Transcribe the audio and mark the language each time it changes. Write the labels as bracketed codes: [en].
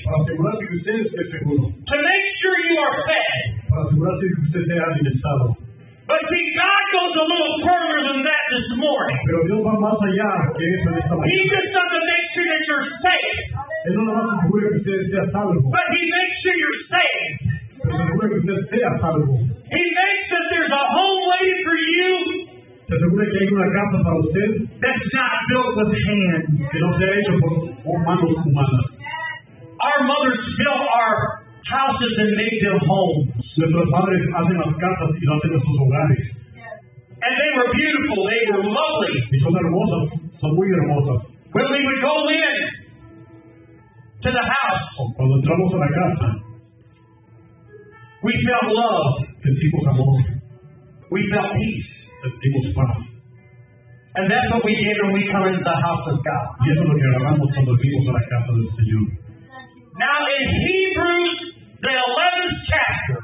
[es] para asegurarse que usted esté seguro, [en] to make sure you are fed, [es] para asegurarse que usted sea alimentado. [en] But see, God goes a little further than that this morning. [es] Pero Dios va más allá que eso en esta mañana. [en] He just doesn't make sure that you're safe. [es] Él no va a asegurar que usted sea salvo. [en] But he makes sure you're safe. [es] Pero asegura que usted sea salvo. [en] He makes that there's a home waiting for you. [es] Se asegura que hay una casa para usted. [en] That's not built with hands. [es] Que no se ha hecho por manos humanas. [en] Our mothers built our houses and made them homes. [es] Nuestros padres hacen las casas y hacen nuestros hogares. [en] And they were beautiful. They were lovely. [es] Y son hermosas. Son muy hermosas. [en] When we would go in to the house, [es] cuando entramos a la casa, [en] we felt love. [es] Sentimos amor. [en] We felt peace. [es] Sentimos paz. [en] And that's what we did when we come into the house of God. [es] Y eso es lo que agarramos cuando vimos a la casa del Señor. [en] Now in Hebrews, the 11th chapter,